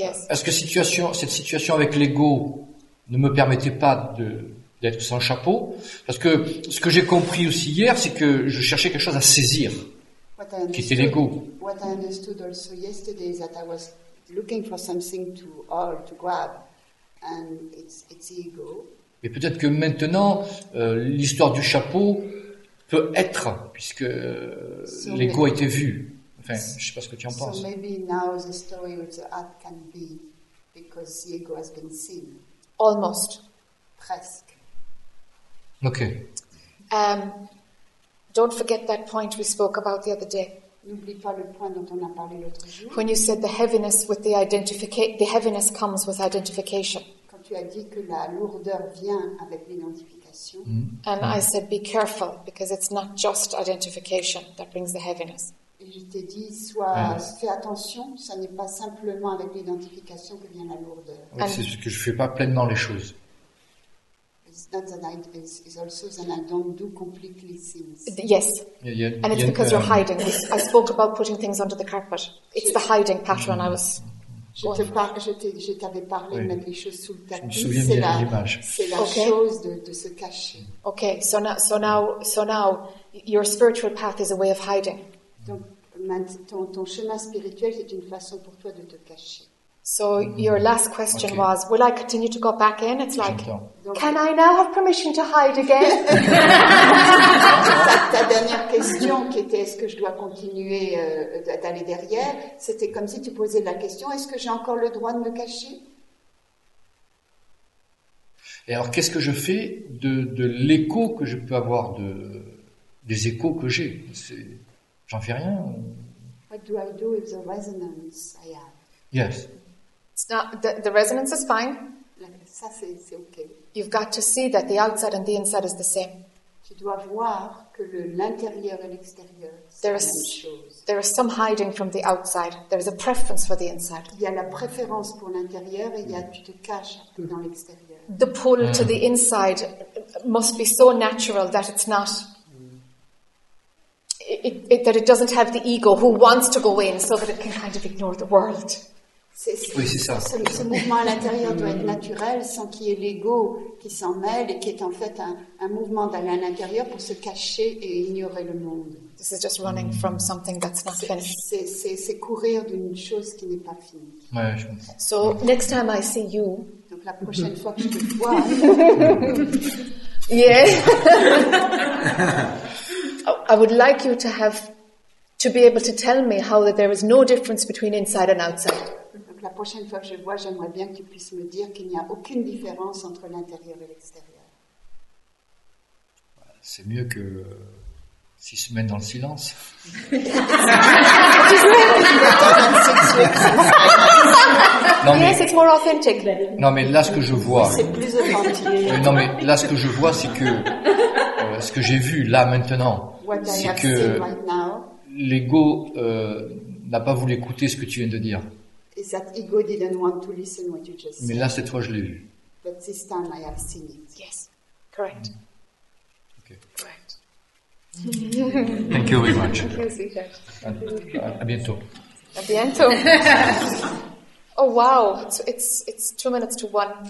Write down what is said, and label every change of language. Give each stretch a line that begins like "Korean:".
French: Est-ce que cette situation avec l'ego ne me permettait pas de d'être sans chapeau, parce que ce que j'ai compris aussi hier, c'est que je cherchais quelque chose à saisir, qui était l'ego.
English: What I understood also yesterday is that I was looking for something to hold, to grab, and it's ego.
French: Mais peut-être que maintenant, l'histoire du chapeau peut être, puisque l'ego a été vu. Enfin, je ne sais pas ce que tu en penses.
English: So maybe now the story of the art can be because the ego has been seen. Almost.
French: Presque.
English: Okay. Don't forget that point we spoke about the other day.
French: N'oublie pas le point dont on a parlé l'autre jour.
English: When you said the heaviness with the heaviness comes with identification.
French: Quand tu as dit que la lourdeur vient avec l'identification.
English: And I said be careful because it's not just identification that brings the heaviness.
French: Et je t'ai dit fais attention, ça n'est pas simplement avec l'identification que vient la lourdeur. Oui, and c'est parce que je fais pas pleinement les choses.
English: It's not that it's also that I don't do completely things. Yes. And it's because you're hiding. I spoke about putting things under the carpet. It's the hiding pattern I was...
French: Je t'avais parlé de mettre les choses sous le tapis. Je me souviens de l'image. C'est la chose de se cacher.
English: Okay, so now, your spiritual path is a way of hiding.
French: Donc, ton chemin spirituel, c'est une façon pour toi de te cacher.
English: So your last question was, will I continue to go back in? It's like, can I now have permission to hide again?
French: Ta dernière question qui était, est-ce que je dois continuer d'aller derrière? C'était comme si tu posais la question, est-ce que j'ai encore le droit de me cacher? Et alors, qu'est-ce que je fais de l'écho que je peux avoir, des échos que j'ai? J'en fais rien.
English: What do I do with the resonance I have? Yes. It's not the resonance is fine.
French: Ça, c'est okay.
English: You've got to see that the outside and the inside is the same.
French: Tu dois voir que l'intérieur et l'extérieur c'est la même chose.
English: There is some hiding from the outside. There is a preference for the inside.
French: Il y a la préférence pour l'intérieur et tu te caches dans l'extérieur.
English: The pull to the inside must be so natural that it's not. That it doesn't have the ego who wants to go in so that it can kind of ignore the world.
French: C'est ça. Ce mouvement à l'intérieur doit être naturel sans qu'il y ait l'ego qui s'en mêle et qui est en fait un mouvement d'aller à l'intérieur pour se cacher et ignorer le monde.
English: This is just running from something that's not finished.
French: C'est courir d'une chose qui n'est pas finie. Ouais, je comprends.
English: So, next time I see you...
French: Donc la prochaine fois que je te vois...
English: yeah. I would like you to be able to tell me how that there is no difference between inside and outside.
French: La prochaine fois que je vois, j'aimerais bien que tu puisses me dire qu'il n'y a aucune différence entre l'intérieur et l'extérieur. C'est mieux que 6 semaines dans le silence. 6 semaines.
English: Yes, it's more authentic.
French: Non, mais là, ce que je vois... C'est plus authentique. Non, mais là, ce que je vois, c'est que... ce que j'ai vu, là, maintenant, c'est que l'ego n'a pas voulu écouter ce que tu viens de dire.
English: Is that ego didn't want to listen what you just said.
French: Mais là, cette fois, je l'ai vu.
English: But this time, I have seen it. Yes, correct. Okay. Correct. Thank you very much. Thank you.
French: A bientôt. A bientôt.
English: Oh, wow. It's 2 minutes to one.